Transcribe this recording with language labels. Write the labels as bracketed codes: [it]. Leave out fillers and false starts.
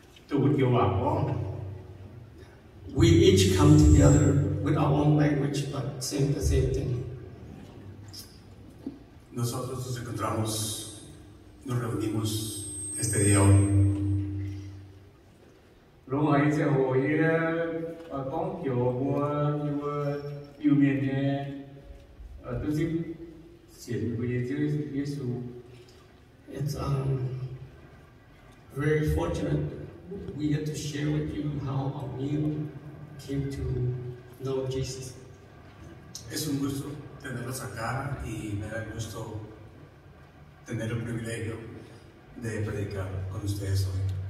[en] We each come together with our own language, but saying the same thing. [es] Nosotros nos encontramos, nos reunimos este día hoy. Long ai se ho ye, a kong kyo hua, yuwa, yuwien ye, a tu zip, sien hu ye zi, yesu. [en] It's very fortunate we get to share with you how our meal came to know Jesus. [es] Es un gusto tenerlos acá y me da gusto tener el privilegio de predicar con ustedes hoy.